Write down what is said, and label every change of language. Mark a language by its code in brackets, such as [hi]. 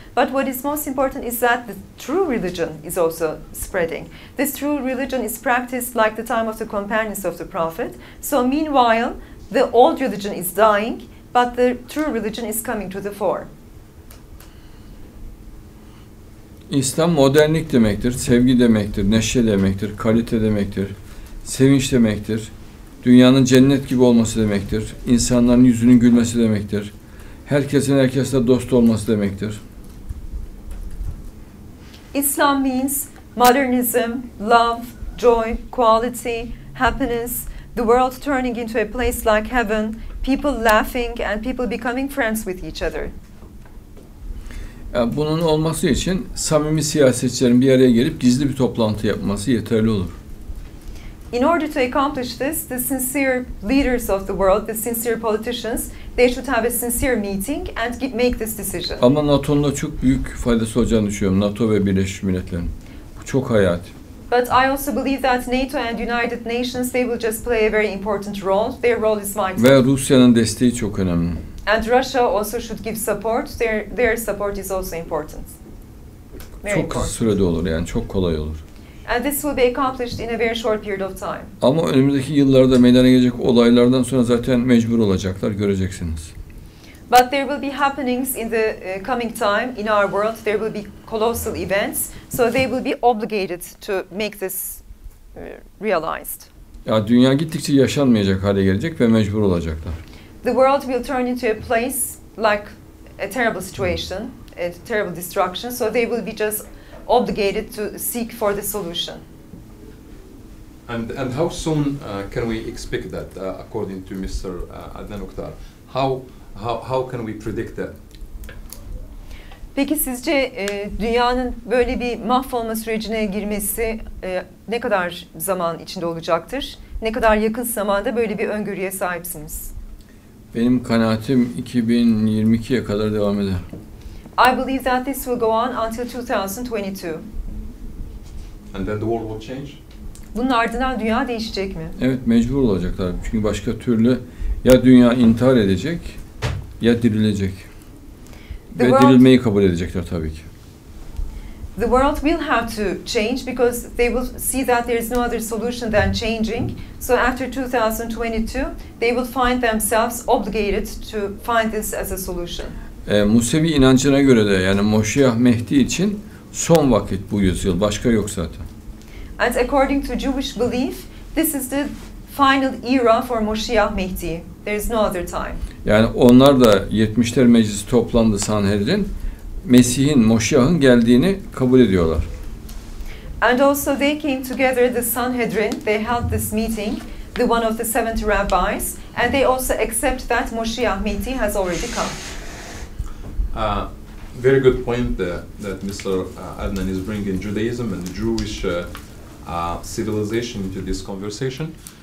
[en] But what is most important is that the true religion is also spreading. This true religion is practiced like the time of the companions of the Prophet. So meanwhile, the old religion is dying, but the true religion is coming to the fore. [tr] İslam modernlik demektir, sevgi demektir, neşe demektir, kalite demektir. Sevinç demektir. Dünyanın cennet gibi olması demektir. İnsanların yüzünün gülmesi demektir. Herkesin herkesle dost olması demektir. [en] İslam means modernism, love, joy, quality, happiness, the world turning into a place like heaven, people laughing and people becoming friends with each other. [tr] Yani bunun olması için samimi siyasetçilerin bir araya gelip gizli bir toplantı yapması yeterli olur. [en] In order to accomplish this, the sincere leaders of the world, the sincere politicians, they should have a sincere meeting and make this decision. [tr] Ama NATO'nun da çok büyük faydası olacağını düşünüyorum. NATO ve Birleşmiş Milletler'in. Bu çok hayati. [en] But I also believe that NATO and United Nations, they will just play a very important role. Their role is vital. [tr] Ve Rusya'nın desteği çok önemli. [en] And Russia also should give support. Their support is also important. Very [tr] çok kısa sürede olur yani, çok kolay olur. [en] And this will be accomplished in a very short period of time. [tr] Ama önümüzdeki yıllarda meydana gelecek olaylardan sonra zaten mecbur olacaklar, göreceksiniz. [en] But there will be happenings in the coming time in our world. There will be colossal events. So they will be obligated to make this realized. [tr] Ya dünya gittikçe yaşanmayacak hale gelecek ve mecbur olacaklar. [en] The world will turn into a place like a terrible situation, a terrible destruction. So they will be just obligated to seek for the solution. And how soon can we expect that, according to Mr. Adnanoktar? How can we predict that? [tr] Peki sizce dünyanın böyle bir mahvolma sürecine girmesi ne kadar zaman içinde olacaktır? Ne kadar yakın zamanda böyle bir öngörüye sahipsiniz? Benim kanaatim 2022'ye kadar devam eder. [en] I believe that this will go on until 2022. And then the world will change? [tr] Bunun ardından dünya değişecek mi? Evet, mecbur olacaklar. Çünkü başka türlü ya dünya intihar edecek ya dirilecek. The Ve world, dirilmeyi kabul edecekler tabii ki. [en] the world will have to change because they will see that there is no other solution than changing. So after 2022, they will find themselves obligated to find this as a solution. [tr] Musevi inancına göre de yani Moşiyah Mehdi için son vakit bu yüzyıl, başka yok zaten. [en] And according to Jewish belief, this is the final era for Moşiyah Mehdi. There is no other time. [tr] Yani onlar da 70'ler meclisi toplandı Sanherin, Mesih'in, Moşiyah'ın geldiğini kabul ediyorlar. [en] And also they came together, the Sanhedrin, they held this meeting, the one of the 70 rabbis, and they also accept that Moşiyah Mehdi has already come. Very good point that Mr. Adnan is bringing Judaism and the Jewish civilization into this conversation.